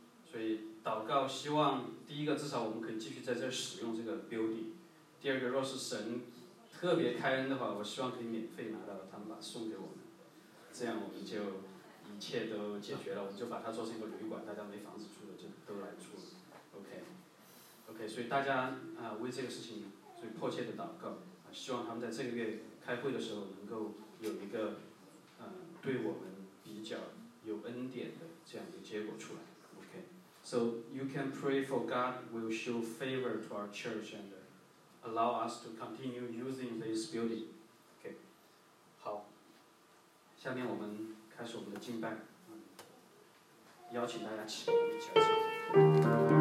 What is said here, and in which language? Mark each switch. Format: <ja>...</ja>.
<zh>所以祷告希望第一个至少我们可以继续在这使用这个 building， 第二个若是神特别开恩的话，我希望可以免费拿到他们把送给我们，这样我们就一切都解决了，我们就把它做成一个旅馆，大家没房子住的就都来住了。 OK， 所以大家为这个事情所以迫切的祷告，希望他们在这个月开会的时候能够有一个对我们比较有恩典的这样的结果出来。</zh> <en>OK， So you can pray for God will show favor to our church and allow us to continue using this building.</en> <zh>OK， 好，下面我们开始我们的敬拜，邀请大家起来我们一起来唱。</zh>